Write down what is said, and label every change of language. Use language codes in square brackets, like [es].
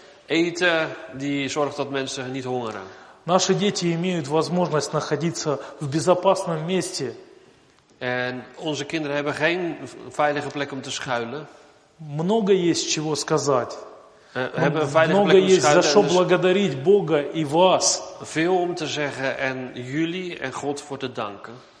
[nl] Eten die zorgt dat mensen niet hongeren. [ru] Наши дети имеют возможность находиться в безопасном месте. [nl] En onze kinderen hebben geen veilige plek om te schuilen. [ru] Много есть чего сказать. Много есть за что благодарить Бога и вас. [nl] Veel om te zeggen en jullie en God voor te danken.